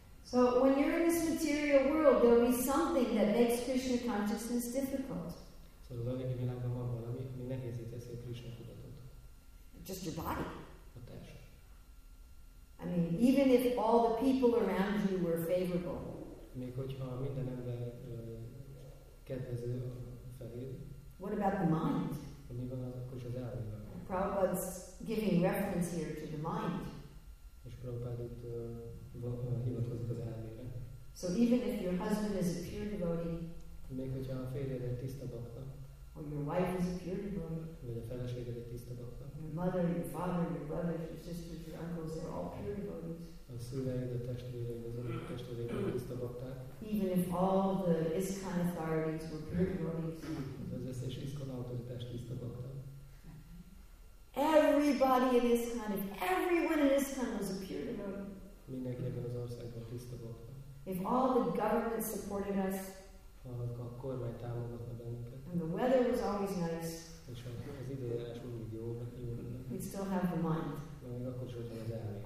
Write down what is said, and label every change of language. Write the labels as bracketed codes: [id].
[en] So when you're in this material world, there will be something that makes Krishna consciousness difficult. [hu] So az anyagi világban van valami, ami nehézé teszi a Krishna tudatot. [en] Just your body. [hu] A test. [en] I mean, even if all the people around you were favorable, [hu] még hogyha minden ember kedvező felé, [en] what about the mind? [hu] Mi van az, akkor is az elmével? [en] Prabhupada's giving reference here to the mind. [hu] És Prabhupada itt hivatkozik az elmére. [en] So even if your husband is a pure devotee, [hu] még hogyha a férjed egy tiszta bakta, [en] or your wife is a pure devotee, [hu] vagy a feleséged egy tiszta bakta, [en] your mother, your father, your brothers, your sisters, your uncles, they're all pure devotees. [hu] A szüleid, a testvéreid, az anyuk testvéreid, tiszta bakták. [en] Even if all the ISKCON authorities were pure devotees. [hu] Az összes ISKCON autoritás tiszta bakták. [en] Every Everybody in this kind of, everyone in this kind of was a pure devotee. [hu] Mindenki ebben az országban tiszta volt. [en] If all the government supported us, [hu] a kormány támogatna bennünket, [en] and the weather was always nice, [hu] és az időjárás mindig jó, jó lenne, [en] we'd still have the mind. [hu] Még akkor sem van az elmény.